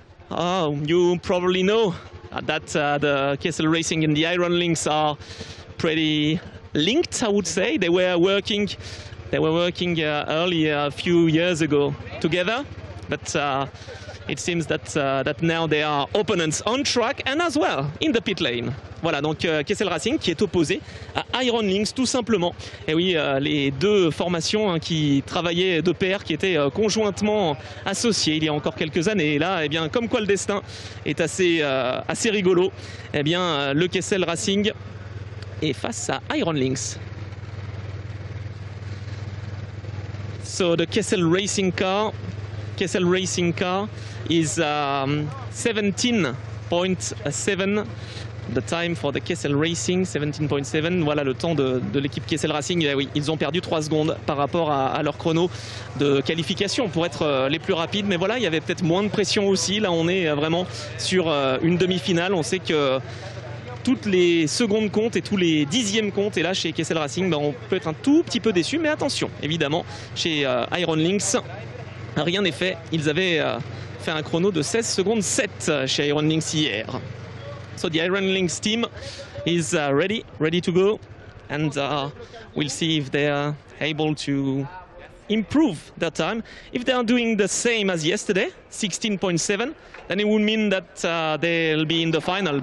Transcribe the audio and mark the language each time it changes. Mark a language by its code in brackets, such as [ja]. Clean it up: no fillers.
[en] You probably know that the Kessel Racing and the Iron Lynx are pretty linked, I would say. They were working earlier a few years ago together, but it seems that that now they are opponents on track and as well in the pit lane. [fr] Voilà, donc Kessel Racing qui est opposé à Iron Lynx, tout simplement. Et oui, les deux formations hein, qui travaillaient de pair, qui étaient conjointement associées il y a encore quelques années. Et là, eh bien, comme quoi le destin est assez, assez rigolo, eh bien, le Kessel Racing est face à Iron Lynx. [en] So the Kessel Racing car is 17.7. The time for the Kessel Racing, 17.7. [fr] Voilà le temps de l'équipe Kessel Racing. Eh oui, ils ont perdu 3 secondes par rapport à leur chrono de qualification pour être les plus rapides. Mais voilà, il y avait peut-être moins de pression aussi. Là, on est vraiment sur une demi-finale. On sait que toutes les secondes comptent et tous les dixièmes comptent. Et là, chez Kessel Racing, ben, on peut être un tout petit peu déçu. Mais attention, évidemment, chez Iron Lynx, rien n'est fait. Ils avaient fait un chrono de 16 secondes 7 chez Iron Lynx hier. [en] So the Iron Lynx team is ready to go. And we'll see if they are able to improve their time. If they are doing the same as yesterday, 16.7, then it would mean that they'll be in the final.